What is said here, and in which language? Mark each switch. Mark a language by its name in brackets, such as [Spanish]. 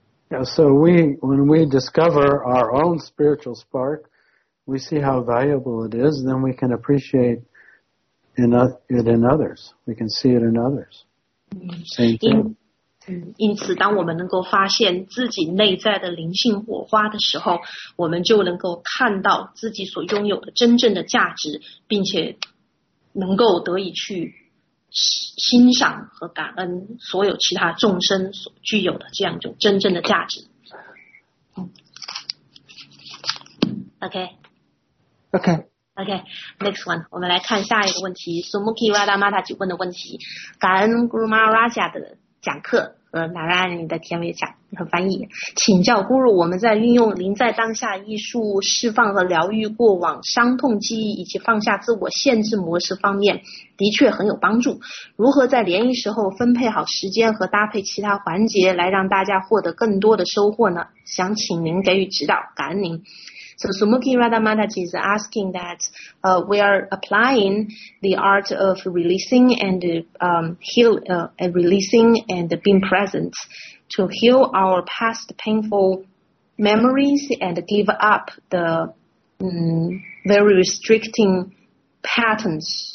[English] yeah, So when we discover our own spiritual spark, we see how valuable it is, then we can appreciate it in others. We can see it in others. Same thing. [Chinese] 因此当我们能够发现自己内在的灵性火花的时候，我们就能够看到自己所拥有的真正的价值，并且能够得以去欣赏和感恩所有其他众生所具有的这样一种真正的价值。 [English] Okay. OK, next one. [Chinese] 我们来看下一个问题。Sumuki Radamata 就问的问题。感恩 Guru Maharaja 的讲课和 Narayani 的甜蜜讲和翻译。请教 Guru, 我们在运用临在当下艺术释放和疗愈过往伤痛记忆以及放下自我限制模式方面的确很有帮助。如何在联谊时候分配好时间和搭配其他环节来让大家获得更多的收获呢？想请您给予指导。感恩您。 [English] So Sumukhi Radha Mataji is asking that we are applying the art of releasing and releasing and being present to heal our past painful memories and give up the very restricting patterns.